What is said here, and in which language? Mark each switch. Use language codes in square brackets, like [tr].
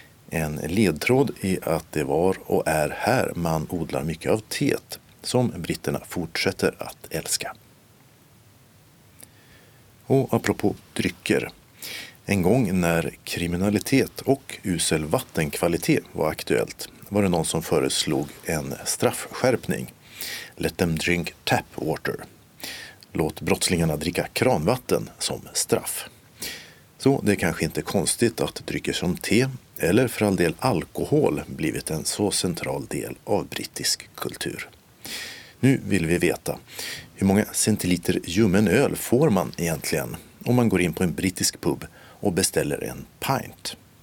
[sv] En ledtråd är att det var och är här man odlar mycket av teet som britterna fortsätter att älska. Och apropå drycker. En gång när kriminalitet och usel vattenkvalitet var aktuellt var det någon som föreslog en straffskärpning. [en] Let them drink tap water. [sv] Låt brottslingarna dricka kranvatten som straff. Så det är kanske inte konstigt att drycker som te eller för all del alkohol blivit en så central del av brittisk kultur. Nu vill vi veta, hur många centiliter ljummen öl får man egentligen om man går in på en brittisk pub och beställer en pint?